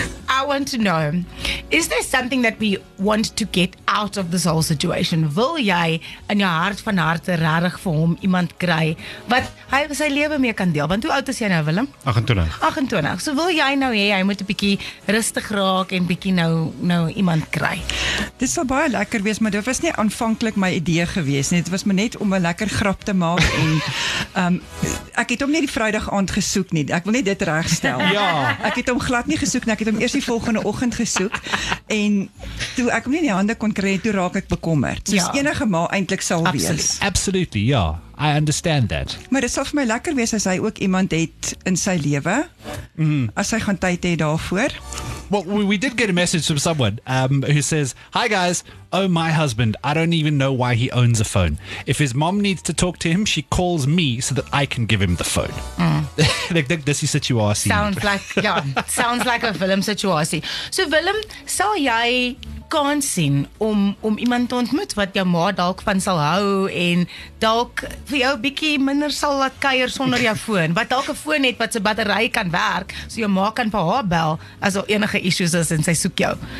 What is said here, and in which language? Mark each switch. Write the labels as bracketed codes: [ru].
[en] I want to know, is there something that we want to get out of this whole situation? [af] Wil jy in jou hart van harte regtig vir hom iemand kry wat hy sy lewe mee kan deel? Want hoe oud is jy nou, Willem? 28. So wil jy nou hê hy moet 'n bietjie rustig raak en bietjie nou iemand kry? Dit sal baie lekker wees, maar dit was nie aanvanklik my idee gewees nie. Dit was maar net om 'n lekker grap te maak en ek het hom nie die Vrydag aand gesoek nie. Ek wil net dit regstel. Ja. Ek het hom glad nie gesoek nie. Ek het hom eers die volgende oggend gesoek en toe ek hom nie in die hande kon kry, toe raak ek bekommerd. Soos enige ma eintlik sal wees. [en] Absolutely, ja. I understand that. [af] Maar dit sal vir my lekker wees as hy ook iemand het in sy lewe. Mm. As hy gaan tyd hê daarvoor. [en] Well, we did get a message from someone who says, "Hi guys, oh my husband, I don't even know why he owns a phone. If his mom needs to talk to him, she calls me so that I can give him the phone." Like this is situasie. Sounds like sounds like a Willem situasie. [af] So Willem, sal jy kans sien om iemand te ontmoet wat jou ma dalk van sal hou en dalk vir jou bietjie minder sal laat kuier sonder jou foon, wat dalk 'n foon het wat se battery kan werk, so jou ma kan vir haar bel as daar enige issues is en sy soek jou.